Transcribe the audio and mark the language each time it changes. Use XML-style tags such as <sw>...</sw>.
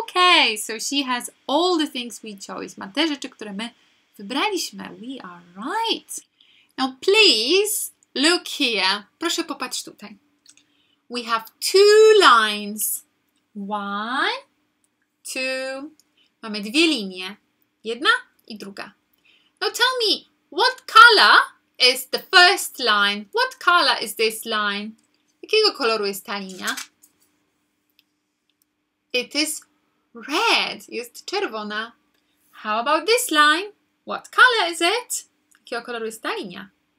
<en>Okay, so she has all the things we chose.</en> <pl>Ma te rzeczy, które my wybraliśmy.</pl> <en>We are right. Now, please, look here.</en> <pl>Proszę popatrz tutaj.</pl> <en>We have two lines. One, two.</en> <pl>Mamy dwie linie. Jedna i druga.</pl> <en>Now tell me, what color is the first line? What color is this line?</en> <pl>Jakiego koloru jest ta linia?</pl> <en>It is red.</en> <pl>Jest czerwona.</pl> <en>How about this line? What color is it?</en> <pl>Jakiego koloru jest ta linia?</pl>